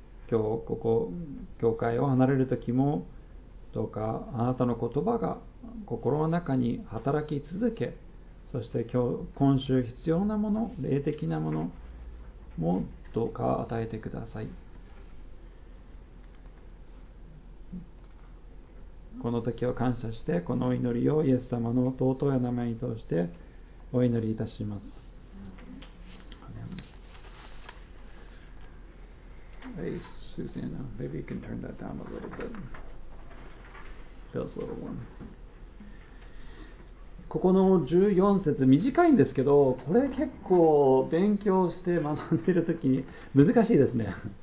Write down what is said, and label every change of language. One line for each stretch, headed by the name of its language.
Japanese: 今日ここ教会を離れる時も、どうかあなたの言葉が心の中に働き続け、そして今週必要なもの、霊的なものもどうか与えてください。この時を感謝して、この祈りをイエス様の尊い名前に通してお祈りいたします。
English: Hey Susanna, maybe you can turn that down a little bit. Feels a little warm.
Japanese: ここの14節短いんですけど、これ結構勉強して学んでるときに難しいですね。